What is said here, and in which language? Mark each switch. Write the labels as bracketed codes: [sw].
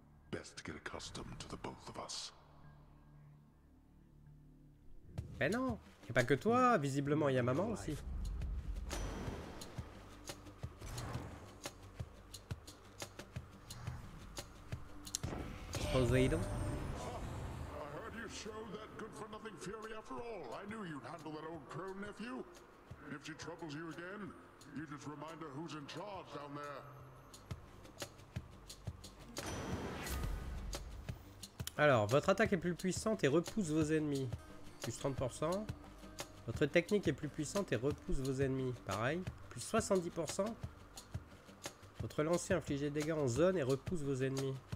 [en] Best get accustomed to the both of us. [fr] Ben non, y'a pas que toi, visiblement y'a maman aussi. [en] Poseidon. I heard you show that good for nothing fury after all. I knew you'd handle that old crow nephew. If she troubles you again, you just remind her who's in charge down there. [fr] Alors, votre attaque est plus puissante et repousse vos ennemis. Plus 30%. Votre technique est plus puissante et repousse vos ennemis. Pareil. Plus 70%. Votre lancer inflige des dégâts en zone et repousse vos ennemis.